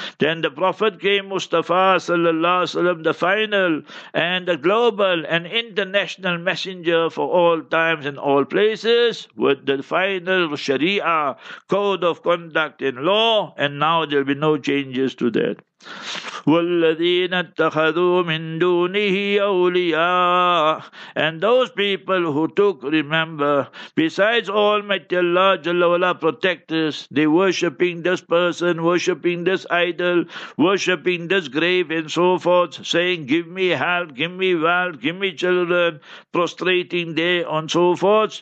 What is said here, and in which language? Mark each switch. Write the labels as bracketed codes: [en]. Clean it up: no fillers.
[en] Then the Prophet came, Mustafa Sallallahu Alaihi Wasallam, the final and the global and international messenger for all times and all places, with the final Sharia, code of conduct and law, and now there'll be no changes to that. [ar] والذين اتخذوا من دونه أولياء. [en] And those people who took, remember, besides Almighty Allah Jalla Wala protectors, they worshipping this person, worshipping this idol, worshipping this grave and so forth, saying, give me health, give me wealth, give me children, prostrating there and so forth.